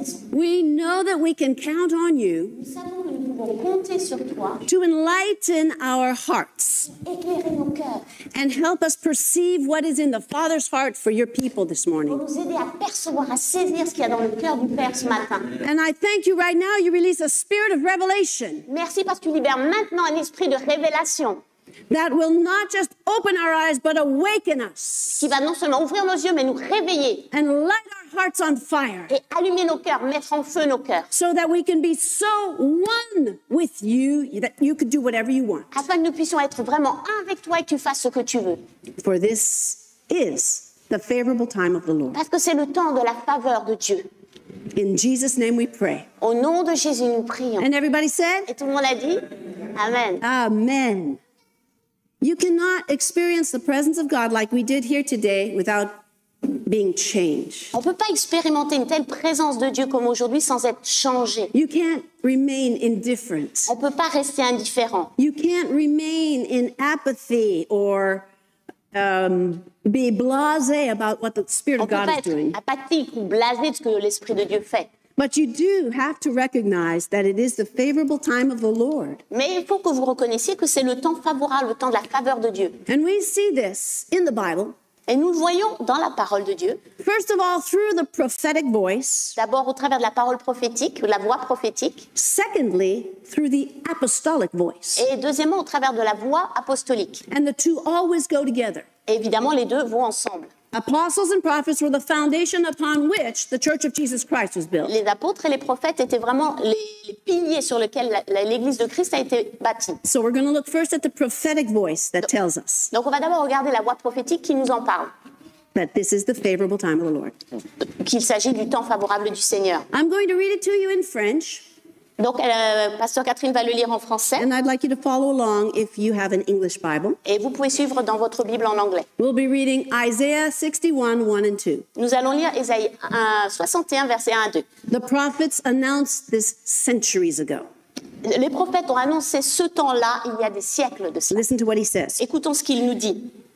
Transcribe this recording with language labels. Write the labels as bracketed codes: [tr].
[en] We know that we can count on you. [fr] Nous savons que nous pouvons compter sur toi. [en] To enlighten our hearts. [fr] Éclairer nos cœurs. [en] And help us perceive what is in the Father's heart for your people this morning. [fr] Pour nous aider à percevoir, à saisir ce qu'il y a dans le cœur du Père ce matin. [en] And I thank you right now, you release a spirit of revelation. [fr] Merci parce que tu libères maintenant un esprit de révélation. [en] That will not just open our eyes, but awaken us. [fr] Qui va non seulement ouvrir nos yeux, mais nous réveiller. [en] And light our hearts on fire. [fr] Et allumer nos cœurs, mettre en feu nos cœurs. [en] So that we can be so one with you, that you could do whatever you want. [fr] Afin que nous puissions être vraiment un avec toi et que tu fasses ce que tu veux. [en] For this is the favorable time of the Lord. [fr] Parce que c'est le temps de la faveur de Dieu. [en] In Jesus' name we pray. [fr] Au nom de Jésus, nous prions. [en] And everybody said? [fr] Et tout le monde a dit? Amen. Amen. [en] You cannot experience the presence of God like we did here today without being changed. [fr] On peut pas expérimenter une telle présence de Dieu comme aujourd'hui sans être changé. [en] You can't remain indifferent. [fr] On peut pas rester indifférent. [en] You can't remain in apathy or be blasé about what the Spirit of God is doing. [fr] On peut pas être apathique ou blasé de ce que l'Esprit de Dieu fait. [en] But you do have to recognize that it is the favorable time of the Lord. [fr] Mais il faut que vous reconnaissiez que c'est le temps favorable, le temps de la faveur de Dieu. [en] And we see this in the Bible. [fr] Et nous le voyons dans la parole de Dieu. [en] First of all, through the prophetic voice. [fr] D'abord au travers de la parole prophétique, la voix prophétique. [en] Secondly, through the apostolic voice. [fr] Et deuxièmement au travers de la voix apostolique. [en] And the two always go together. [fr] Et évidemment les deux vont ensemble. [en] Apostles and prophets were the foundation upon which the Church of Jesus Christ was built. [fr] Les apôtres et les prophètes étaient vraiment les piliers sur lesquels l'Église de Christ a été bâtie. [en] So we're going to look first at the prophetic voice that tells us. [fr] Donc on va d'abord regarder la voix prophétique qui nous en parle. [en] That this is the favorable time of the Lord. [fr] Qu'il s'agit du temps favorable du Seigneur. [en] I'm going to read it to you in French. [fr] Donc, Pasteur Catherine va le lire en français. [en] And I'd like you to follow along if you have an English Bible. [fr] Et vous pouvez suivre dans votre Bible en anglais. [en] We'll be reading Isaiah 61, 1 and 2. [fr] Nous allons lire Isaïe 61, verset 1 à 2. [en] The prophets announced this centuries ago. [fr] Les prophètes ont annoncé ce temps-là, il y a des siècles de cela. [en] Listen to what he says. [fr] Écoutons ce qu'il nous dit.